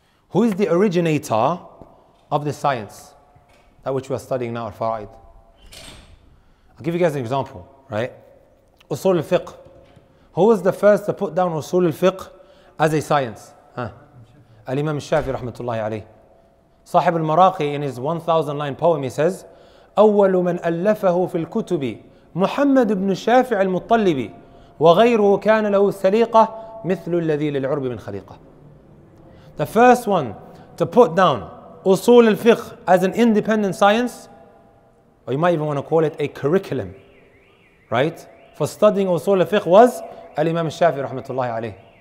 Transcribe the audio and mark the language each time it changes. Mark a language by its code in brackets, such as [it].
[en] Who is the originator of the science that which we are studying now, al-fara'id? I'll give you guys an example, right? Usul al-fiqh. Who was the first to put down usul al-fiqh as a science? Al-Imam al-Shafi'i rahmatullahi alayh. Sahib al-Maraqi in his 1009 poem, he says, [ar] أول من ألفه في الكتب محمد بن الشافع المطلبي وغيره كان له سليقة مثل الذي للعرب من خليقة. [en] The first one to put down usul al-fiqh as an independent science, or you might even want to call it a curriculum, right, for studying usul al-fiqh was Al-Imam al-Shafi'i rahmatullahi alayh.